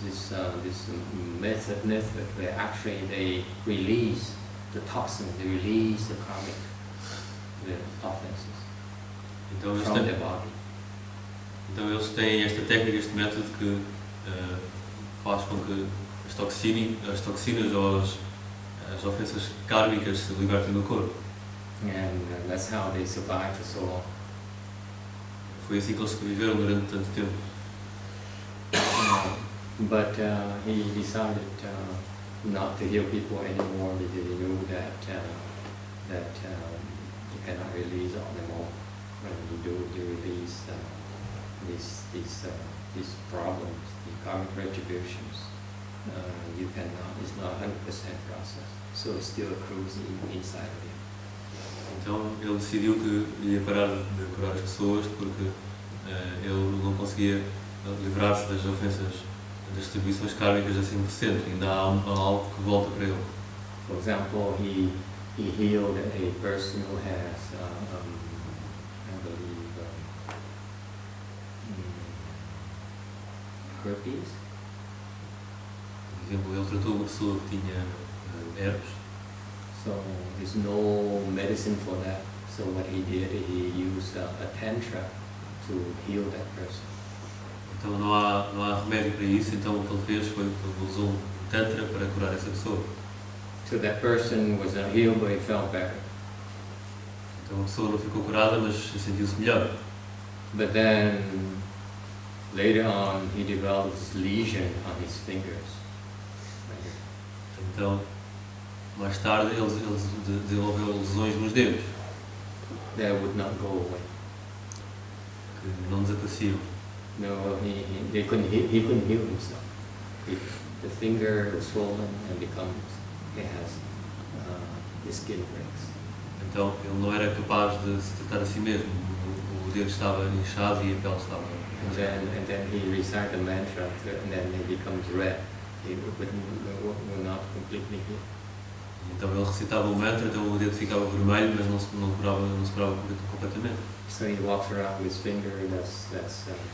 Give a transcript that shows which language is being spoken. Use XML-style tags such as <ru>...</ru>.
<en>They have this method where actually they release the toxin, they release the karmic, the offenses</en> <pt>então,</pt> <en>from their body.</en> <pt>Então eles têm esta técnica, este método que faz com que as toxinas ou as ofensas kármicas se libertem do corpo.</pt> <en>And that's how they survived for so long.</en> <pt>Foi assim que eles sobreviveram durante tanto tempo.</pt> <en>But he decided not to heal people anymore because he knew that he cannot release all them all. When you do, you release these problems, the karmic retributions. You cannot. It's not 100% process. So it still accrues inside of you.</en> <pt>Então ele decidiu que ia parar de curar as pessoas porque ele não conseguia livrar-se das ofensas, das distribuições kármicas a 100%, ainda há algo que volta para ele.</pt> <en>For example, he healed a person who has, I believe, herpes.</en> <pt>Por exemplo, ele tratou uma pessoa que tinha herpes.</pt> <en>So, there's no medicine for that. So, what he did, he used a tantra to heal that person.</en> <pt>Então não há remédio para isso, então o que ele fez foi que ele usou um tantra para curar essa pessoa.</pt> <en>So that person was not healed, but he felt better.</en> <pt>Então a pessoa não ficou curada, mas se sentiu-se melhor.</pt> <en>But then, later on, he developed this lesion on his fingers.</en> <pt>Então, mais tarde, ele desenvolveu lesões nos dedos.</pt> <en>That would not go away.</en> <pt>Que não desapareciam.</pt> <en>No, he couldn't heal himself. The finger was swollen and becomes, it has, the skin breaks.</en> <pt>Então, ele não era capaz de se tratar a si mesmo. O dedo estava inchado e a pele estava...</pt> <en>And then he recited the mantra and then it becomes red. It would not completely heal.</en> <pt>Então, ele recitava o mantra, então o dedo ficava vermelho, mas não se curava completamente.</pt> <en>So he walks around with his finger and that's</en>